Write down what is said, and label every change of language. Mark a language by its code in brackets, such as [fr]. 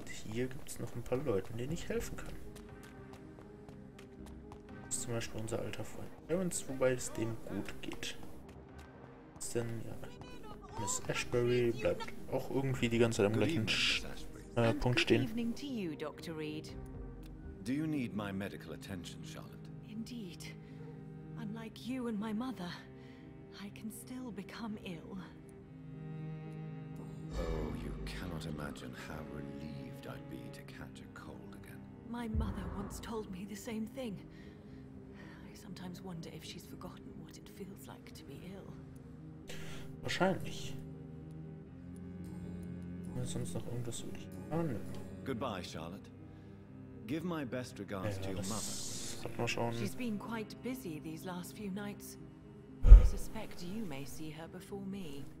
[de] Hier gibt es noch ein paar Leute, denen ich helfen kann. Das ist zum Beispiel unser alter Freund Terence, wobei es dem gut geht. Ist denn, ja, Miss Ashbury bleibt auch irgendwie die ganze Zeit am gleichen Punkt stehen. [en] Good evening to you, Dr. Reed. Do you need my medical attention, Charlotte? Indeed. Unlike you and my mother, I can still become ill. Oh, you cannot imagine how relieved I'd be to catch a cold again. My mother once told me the same thing. I sometimes wonder if she's forgotten what it feels like to be ill. [de] Wahrscheinlich. Sonst noch irgendwas würde ich machen. [en] Goodbye, Charlotte. Give my best regards to your mother. She's been quite busy these last few nights. I suspect you may see her before me.